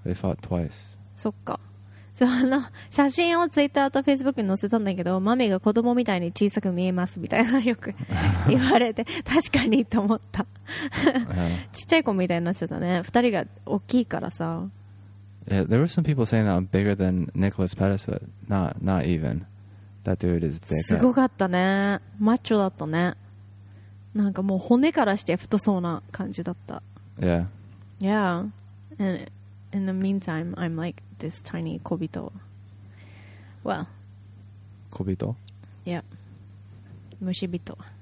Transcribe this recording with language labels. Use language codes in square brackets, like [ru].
[en] They fought twice. [ja] そっか。写真をツイッターとフェイスブックに載せたんだけど、マミが子供みたいに小さく見えますみたいなよく言われて確かにと思った。ちっちゃい子みたいになっちゃったね。二人が大きいからさ。 [en] Yeah, there were some people saying that I'm bigger than Nicholas Pettis, but not even. That dude is bigger. [ja] すごかったね。マッチョだったね。なんかもう骨からして太そうな感じだった。 [en] Yeah. Yeah. And in the meantime, I'm like. This tiny Kobito. Well. Kobito? Yeah. Mushibito.